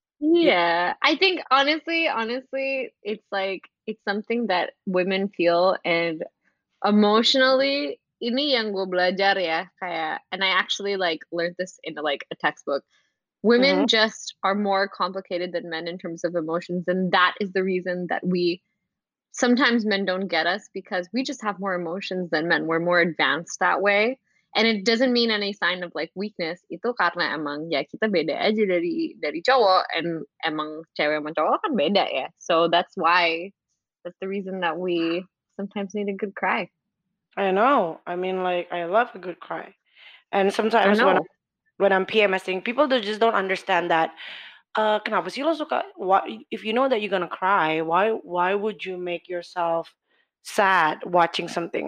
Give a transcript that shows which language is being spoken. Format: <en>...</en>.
<en>Yeah, I think honestly it's like, it's something that women feel, and emotionally</en> <id>ini yang gue belajar ya, kayak,</id> <en>and I actually like learned this in like a textbook. Women mm-hmm. just are more complicated than men in terms of emotions, and that is the reason that we sometimes men don't get us, because we just have more emotions than men. We're more advanced that way, and it doesn't mean any sign of like weakness.</en> <id>Itu karena emang ya kita beda aja dari cowok, and emang cewek sama cowok kan beda ya.</id> <en>So that's the reason that we sometimes need a good cry. I know. I mean, like, I love a good cry, and sometimes when I'm PMSing, people just don't understand that.</en> <id>Kenapa sih lo suka?</id> <en>If you know that you're gonna cry, why would you make yourself sad watching something?</en>